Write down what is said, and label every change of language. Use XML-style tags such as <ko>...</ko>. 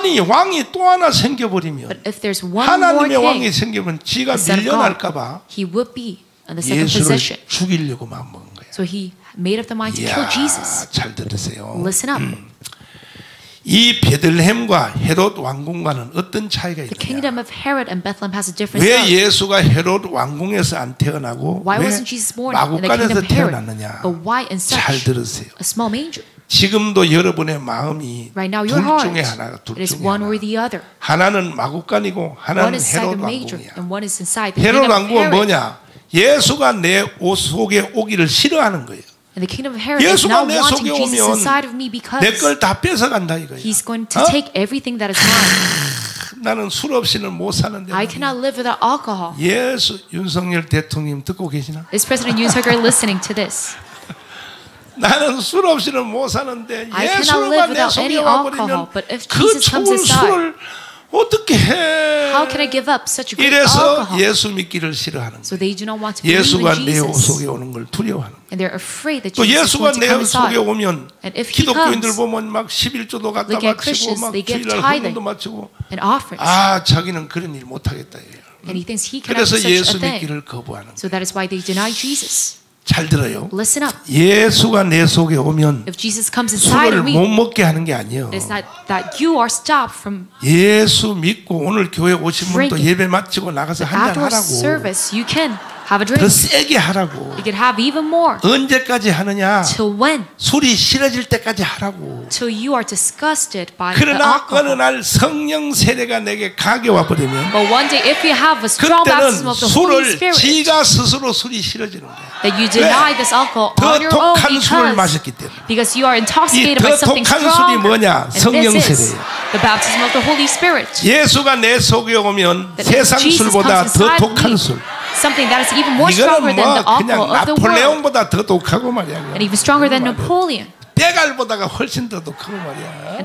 <ko>아니 왕이 또 하나 생겨버리면 하나님의 왕이 생기면 지가 밀려날까 봐 예수를 죽이려고 마음먹은 거야.</ko> <en>So he made up the mind to kill Jesus.</en> <ko>잘 들으세요.</ko> <en>Listen up.</en> <ko>이 베들레헴과 헤롯 왕궁과는 어떤 차이가 있느냐?</ko> <en>The kingdom of Herod and Bethlehem has a difference.</en> <ko>왜 예수가 헤롯 왕궁에서 안 태어나고 왜 마구간에서 태어났느냐?</ko> <en>But why in such</en> <ko>잘 들으세요.</ko> <en>A small manger.</en> <ko>지금도 여러분의 마음이 둘 중에 하나가 둘 중에 하나. 하나는 마구간이고 하나는 헤롯 왕궁이야. 헤롯 왕궁은 뭐냐? 예수가 내 옷 속에 오기를 싫어하는 거예요.</ko> <en>And the kingdom of Herod is not wanting Jesus inside of me because</en> <ko>내 걸 다 뺏어간다 이거야.</ko> <en>He's going to take everything that is mine.</en> <ko>나는 술 없이는 못 사는데.</ko> <en>I cannot live without alcohol.</en> <ko>예수 윤석열 대통령 듣고 계시나?</ko> <en>Is President Yoon Suk Yeol listening to this?</en> <ko>나는 술 없이는 못 사는데 예수만 내 속에 와버리면</ko> <en>but if Jesus comes inside,</en> <ko>그 좋은 술을 어떻게 해?</ko> <en>How can I give up such a good</en> <ko>이래서</ko> <en>alcohol?</en> <ko>예수 믿기를 싫어하는 거예요.</ko> <en>So they do not want to believe</en> <ko>예수가</ko> <en>in Jesus.</en> <ko>내 옷 속에 오는 걸 두려워하는 거예요.</ko> <en>And they're afraid that Jesus</en> <ko>또 예수가 내 옷 속에 오면 기독교인들 보면 막 11조도 갖다 바치고 막 주일날 헌금도 마치고 아 자기는 그런 일 못하겠다 해요.</ko> <en>And he thinks he</en> <ko>그래서 예수 믿기를 거부하는 거예요.</ko> <en>So that is why they deny Jesus.</en> <ko>잘 들어요.</ko> <en>Listen up.</en> <ko>예수가 내 속에 오면</ko> <en>if Jesus comes inside</en> <ko>술을 못 먹게 하는 게 아니에요.</ko> <en>It's not that you are stopped from</en> <ko>예수 믿고 오늘 교회 오신 분도 예배 마치고 나가서 한잔 하라고.</ko> <en>After service, you can have a drink.</en> <ko>더 세게 하라고.</ko> <en>You can have even more.</en> <ko>언제까지 하느냐?</ko> <en>Till when?</en> <ko>술이 싫어질 때까지 하라고.</ko> <en>Till you are disgusted by</en> <ko>그러나</ko> <en>the alcohol.</en> <ko>어느 날 성령 세례가 내게 가게 와버리면</ko> <en>but one day if you have a strong baptism of the Holy Spirit,</en> <ko>술을 지가 스스로 술이 싫어지는 거야.</ko> <en>That you deny this alcohol on your own because you are intoxicated by something strong. And this is the baptism of the Holy Spirit.</en> <ko>예수가 내 속에 오면 세상 술보다 더 독한 술.</ko> <en>Something that is even more stronger than the alcohol of the world.</en> <ko>나폴레옹보다 더 독하고 말이야.</ko> <en>And even stronger than Napoleon.</en> <ko>대갈보다가 훨씬 더 독하고 말이야.</ko>